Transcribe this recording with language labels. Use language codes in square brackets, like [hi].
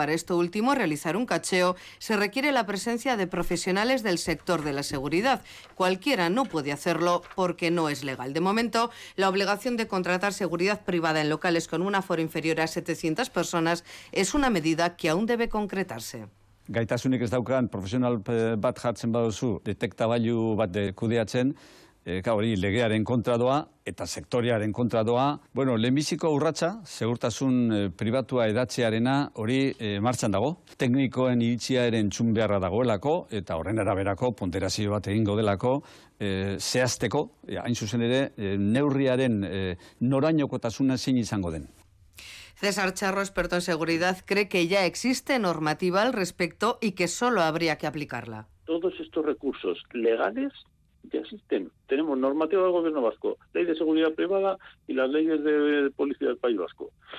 [es] Para esto último, realizar un cacheo se requiere la presencia de profesionales del sector de la seguridad. Cualquiera no puede hacerlo porque no es legal. De momento, la obligación de contratar seguridad privada en locales con un aforo inferior a 700 personas es una medida que aún debe concretarse. [eu] Gaitasunik ez daukan profesional bat jartzen baduzu, detektabailu bat kudeatzen, hori legearen kontra doa eta sektorearen kontra doa. Bueno, lehenbiziko urratsa, segurtasun pribatua hedatzearena, hori martxan dago. Teknikoen iritzia ere entzun beharra dagoelako eta horren araberako ponderazio bat egingo delako, zehazteko, hain zuzen ere, neurriaren norainokotasuna zein izango den. [es] César Charro, experto en seguridad, cree que ya existe normativa al respecto y que solo habría que aplicarla. Todos estos recursos legales ya existen. Tenemos normativa del gobierno vasco, ley de seguridad privada y las leyes de policía del País Vasco.